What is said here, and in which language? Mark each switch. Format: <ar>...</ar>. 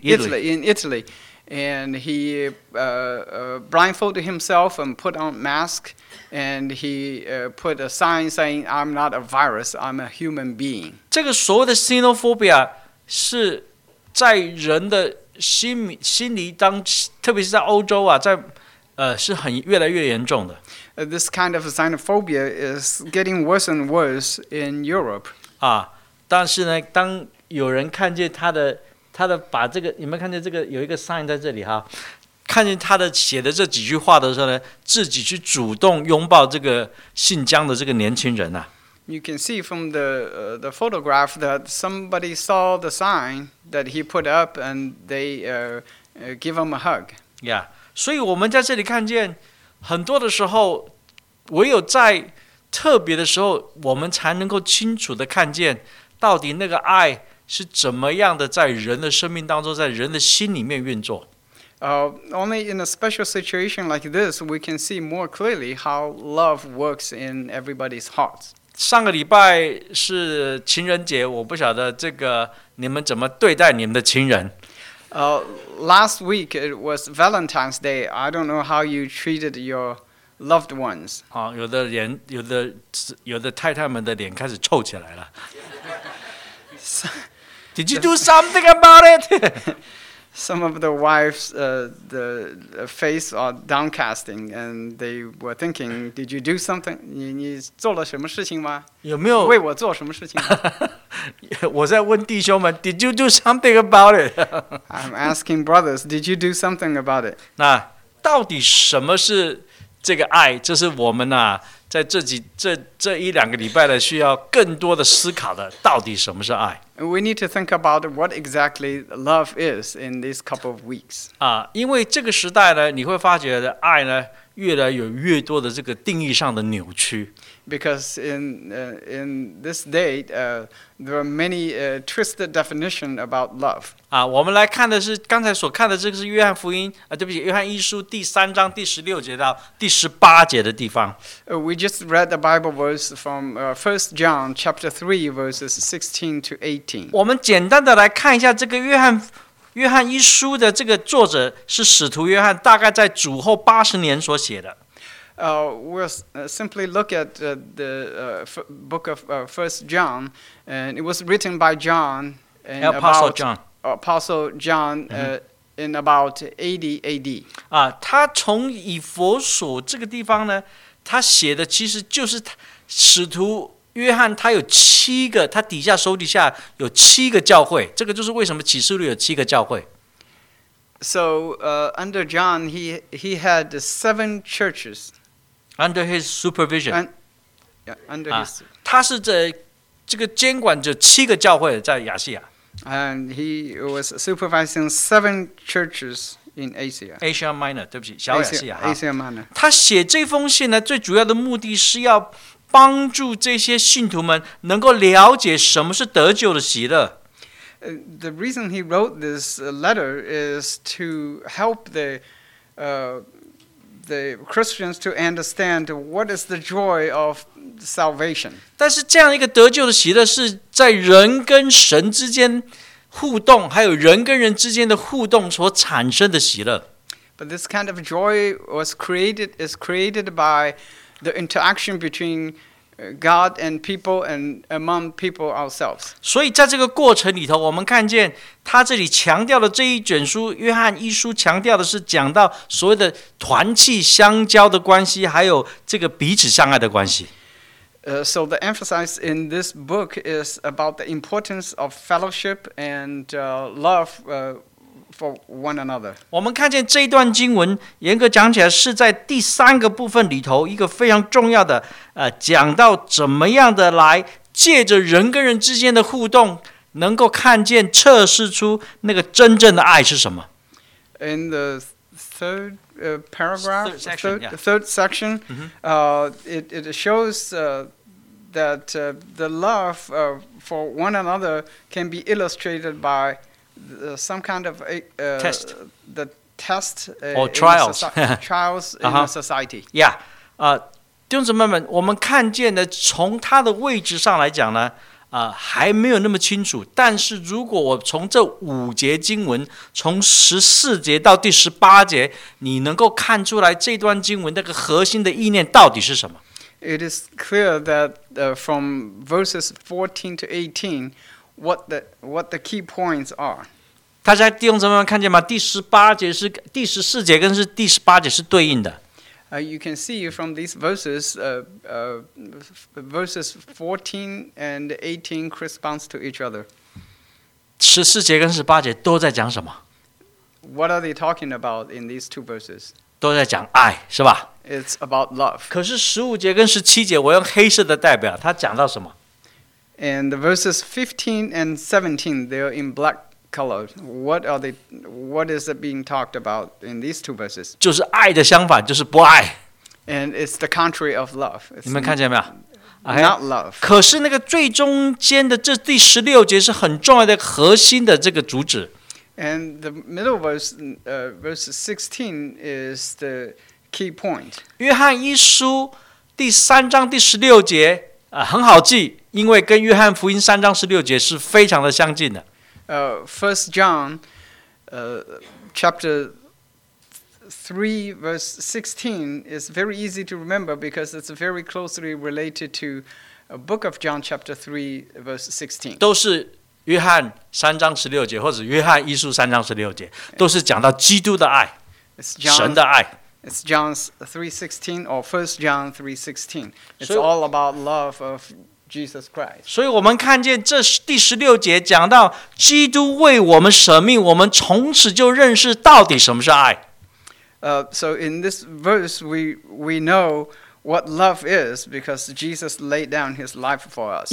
<en>In Italy. And he blindfolded himself and put on mask, and he put a sign saying, "I'm not a virus. I'm a human being."</en> <zh>这个所谓的 xenophobia 是在人的心理当，特别是在欧洲啊，在是很越来越严重的。</zh> <en>This kind of xenophobia is getting worse and worse in Europe.</en> <zh>但是呢，当有人看见他的把这个，你们看见这个有一个 sign 在这里哈，看见他的写的这几句话的时候呢，自己去主动拥抱这个姓江的这个年轻人</zh> <en>You can see from the photograph that somebody saw the sign that he put up and they give him a hug.</en> <zh>Yeah, 所以我们在这里看见很多的时候，唯有在特别的时候，我们才能够清楚的看见到底那个爱。是怎么样的在人的生命当中，在人的心里面运作？</zh> <en>Only in a special situation like this, we can see more clearly how love works in everybody's hearts.</en> <zh>上个礼拜是情人节，我不晓得这个你们怎么对待你们的情人。</zh> <en>Last week it was Valentine's Day. I don't know how you treated your loved ones.</en> <zh>有的太太们的脸开始臭起来了。</zh> <en>Did you do something about it? Some of the wives, the face are downcasting, and they were thinking, "Did you do something?</en> <zh>你做了什么事情吗？有没有为我做什么事情？我在问弟兄们</zh> <en>，Did you do something about it? I'm asking brothers, did you do something about it?</en> <zh>那到底什么是这个爱？这是我们呐、啊，在这一两个礼拜的需要更多的思考的，到底什么是爱？</zh> <en>We need to think about what exactly love is in these couple of weeks.</en> <zh>啊，因为这个时代呢，你会发觉的爱呢，越来有越多的这个定义上的扭曲。</zh> <en>Because in this day, there are many twisted definitions about love.</en> <zh>啊，我们来看的是刚才所看的，这个是约翰福音啊，对不起，约翰一书第三章第十六节到第十八节的地方。</zh> <en>We just read the Bible verse from First John chapter 3 verses 16 to 18.</en> <zh>我们简单的来看一下这个约翰一书的这个作者是使徒约翰，大概在主后八十年所写的。</zh> <en>We'll simply look at the book of First John, and it was written by John, Apostle John. Apostle John, in about 80 AD.</en> <zh>啊，他从以弗所这个地方呢，他写的其实就是使徒约翰，他有七个，他底下手底下有七个教会，这个就是为什么启示录有七个教会。</zh> <en>So under John, he had seven churches. Under his supervision, under his,</en> <zh>他是这个监管着七个教会在亚细亚</zh> <en>，and he was supervising seven churches in Asia.</en> <zh>Asia Minor, 对不起，小亚细亚。</zh> <en>Asia Minor.</en> <zh>他写这封信呢，最主要的目的是要帮助这些信徒们能够了解什么是得救的喜乐。</zh> <en>The reason he wrote this letter is to help the Christians to understand what is the joy of salvation.</en> <zh>但是这样一个得救的喜乐是在人跟神之间互动，还有人跟人之间的互动所产生的喜乐。</zh> <en>But this kind of joy is created by the interaction between God and people and among people ourselves.</en> <zh>所以在这个过程里头，我们看见他这里强调的这一卷书，约翰一书强调的是讲到所谓的团契相交的关系，还有这个彼此相爱的关系。</zh> <en>So the emphasis in this book is about the importance of fellowship and love for one another.</en> <zh>我们看见这一段经文，严格讲起来是在第三个部分里头一个非常重要的，讲到怎么样的来借着人跟人之间的互动。能够看见测试出那个真正的爱是什么。</zh> <en>In the third paragraph, third section,、 mm-hmm. it shows that the love for one another can be illustrated by some kind of test. The test or trials, trials in the society.</en> <zh>Yeah, 弟兄姊妹们，我们看见的从他的位置上来讲呢。还没有那么清楚，但是如果我从这五节经文，从十四节到第十八节，你能够看出来这段经文那个核心的意念到底是什么？</zh> <en>It is clear that from verses 14 to 18, what the key points are.</en> <zh>大家弟兄姊妹们看见吗？第十八节是第十四节跟是第十八节是对应的。</zh> <en>You can see from these verses, verses 14 and 18 corresponds to each other.</en> <zh>十四节跟十八节都在讲什么？</zh> <en>What are they talking about in these two verses?</en> <zh>都在讲爱，是吧？</zh> <en>It's about love.</en> <zh>可是十五节跟十七节，我用黑色的代表，它讲到什么？</zh> <en>And the verses 15 and 17, they're in black color. What is it being talked about in these two verses?</en> <zh>就是爱的相反，就是不爱。</zh> <en>And it's the contrary of love.</en> <zh>你们看见没有？</zh> <en>Not love.</en> <zh>可是那个最中间的这第十六节是很重要的核心的这个主旨。</zh> <en>And the middle verse, verse 16 is the key point.</en> <zh>约翰一书第三章第十六节很好记，因为跟约翰福音三章十六节是非常的相近的。</zh> <en>First John, chapter 3, verse 16 is very easy to remember because it's very closely related to a book of John, chapter 3, verse 16.</en> <zh>都是约翰三章十六节，或者约翰一书三章十六节，都是讲到基督的爱，</zh> <en>John,</en> <zh>神的爱。</zh> <en>It's John 3:16 or 1 John 3:16. It's all about love of Jesus Christ.</en> <zh>所以我们看见这第十六节讲到基督为我们舍命，我们从此就认识到底什么是爱。</zh> <en>So in this verse, we know what love is because Jesus laid down his life for us.</en>